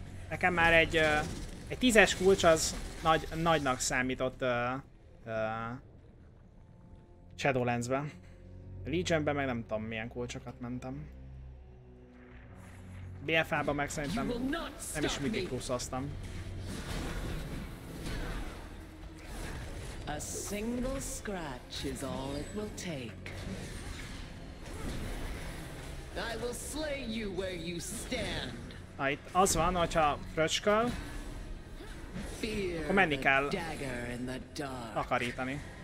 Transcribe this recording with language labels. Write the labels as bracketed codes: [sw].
[hu] Nekem már egy tízes kulcs az nagynak számított Shadowlands-be. Legion-be meg nem tudom milyen kulcsokat mentem. BFA-ba meg szerintem nem is mindig pluszoztam. [en] A single scratch is all it will take. I will slay you where you stand. [hu] Itt az van, hogyha fröcsköl, akkor menni kell takarítani.